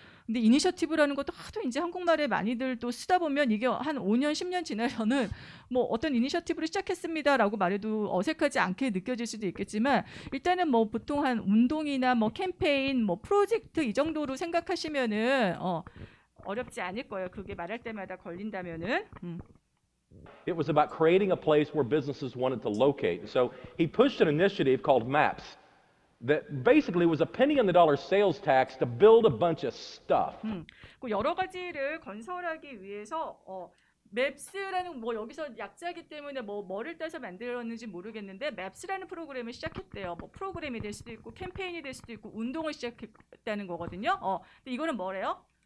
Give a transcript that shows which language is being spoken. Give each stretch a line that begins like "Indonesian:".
Korean: 근데 이니셔티브라는 것도 하도 이제 한국말에 많이들 또 쓰다 보면 이게 한 5년, 10년 지나서는 뭐 어떤 이니셔티브를 시작했습니다라고 말해도 어색하지 않게 느껴질 수도 있겠지만 일단은 뭐 보통 한 운동이나 뭐 캠페인, 뭐 프로젝트 이 정도로 생각하시면은 어렵지 않을 거예요. 그게 말할 때마다 걸린다면은.
English: It was about creating a place where businesses wanted to locate. So he pushed an initiative called MAPS. That basically was a penny on the dollar sales tax to build a bunch of stuff.
Korean: 그 여러 가지를 건설하기 위해서 맵스라는 뭐 여기서 약자이기 때문에 뭐 뭐를 따서 만들었는지 모르겠는데 맵스라는 프로그램을 시작했대요. 뭐 프로그램이 될 수도 있고 캠페인이 될 수도 있고 운동을 시작했다는 거거든요. 근데 이거는 뭐래요?